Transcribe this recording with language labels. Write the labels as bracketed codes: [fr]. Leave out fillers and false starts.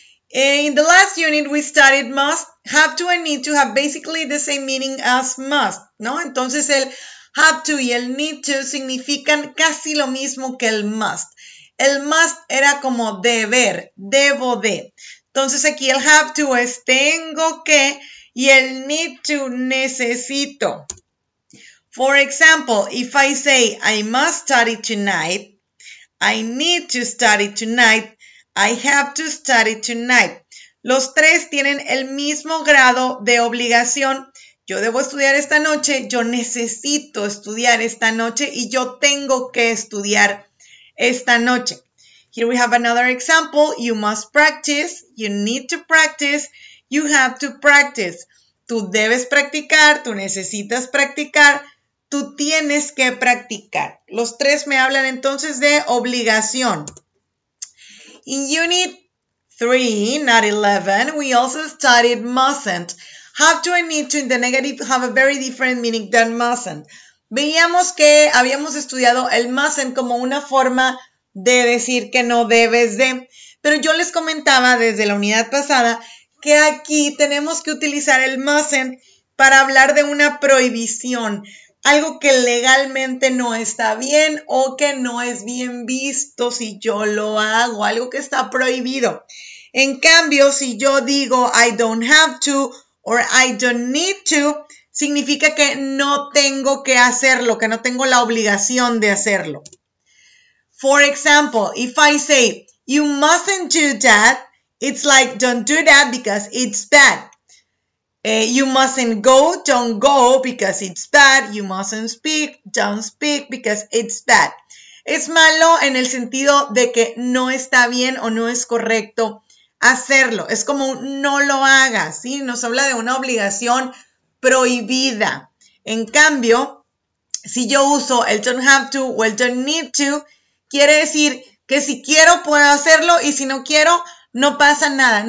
[en] In the last unit, we studied must, have to, and need to have basically the same meaning as must, ¿no? [es] Entonces, el have to y el need to significan casi lo mismo que el must. El must era como deber, debo de. Entonces, aquí el have to es tengo que y el need to necesito. [en] For example, if I say I must study tonight, I need to study tonight, I have to study tonight. [es] Los tres tienen el mismo grado de obligación. Yo debo estudiar esta noche, yo necesito estudiar esta noche y yo tengo que estudiar esta noche. [en] Here we have another example. You must practice, you need to practice, you have to practice. [es] Tú debes practicar, tú necesitas practicar, tú tienes que practicar. [en] Los tres me hablan entonces de obligación. In Unit 3, not 11, we also studied mustn't. Have to and need to in the negative have a very different meaning than mustn't. [es] Veíamos que habíamos estudiado el mustn't como una forma de decir que no debes de. Pero yo les comentaba desde la unidad pasada que aquí tenemos que utilizar el mustn't para hablar de una prohibición. Algo que legalmente no está bien o que no es bien visto si yo lo hago, algo que está prohibido. En cambio, si yo digo I don't have to or I don't need to, significa que no tengo que hacerlo, que no tengo la obligación de hacerlo. [en] For example, if I say you mustn't do that, it's like don't do that because it's bad. You mustn't go, don't go, because it's bad. You mustn't speak, don't speak, because it's bad. [es] Es malo en el sentido de que no está bien o no es correcto hacerlo. Es como no lo hagas, ¿sí? Nos habla de una obligación prohibida. En cambio, si yo uso el don't have to o el don't need to, quiere decir que si quiero puedo hacerlo y si no quiero, no pasa nada.